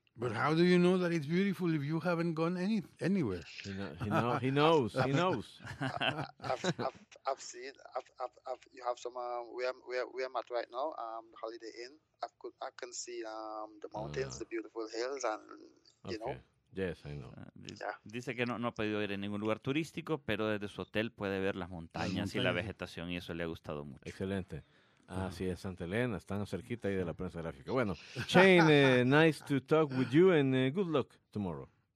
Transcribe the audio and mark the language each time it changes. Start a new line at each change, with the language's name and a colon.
English: But how do you know that it's beautiful if you haven't gone anywhere? He knows. I've seen. You have some. Where I'm at right now. The Holiday Inn. I can see the mountains, the beautiful hills, and you know. Yes, I know.
Spanish: Dice que no ha podido ir a ningún lugar turístico, pero desde su hotel puede ver las montañas y la vegetación, y eso le ha gustado mucho. Excelente. Así es, Santa Elena, están cerquita ahí de la prensa gráfica.
English: Bueno, Shane, nice to talk with you, and good luck tomorrow.